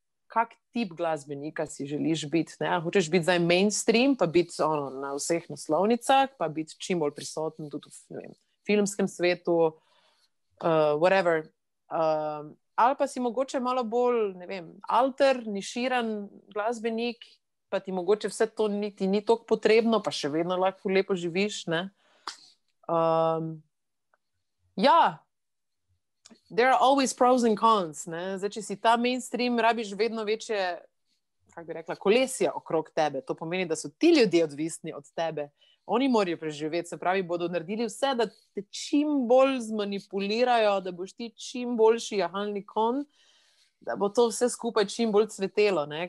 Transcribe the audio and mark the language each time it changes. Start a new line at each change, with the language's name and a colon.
Slovenian: kak tip glasbenika si želiš biti. Ne? Hočeš biti zdaj mainstream, pa biti ono, na vseh naslovnicah, pa biti čim bolj prisoten tudi v, ne vem, filmskem svetu, whatever. Ali pa si mogoče malo bolj, ne vem, alter, niširan glasbenik, pa ti mogoče vse to niti ni toliko potrebno, pa še vedno lahko lepo živiš. Ne?
English: Ja, there are always pros and cons.
Slovenian: Ne? Zdaj, če si ta mainstream, rabiš vedno večje, kak bi rekla, kolesija okrog tebe. To pomeni, da so ti ljudje odvisni od tebe. Oni morajo preživeti, se pravi, bodo naredili vse, da te čim bolj zmanipulirajo, da boš ti čim boljši jahalni kon, da bo to vse skupaj čim bolj cvetelo. Ne?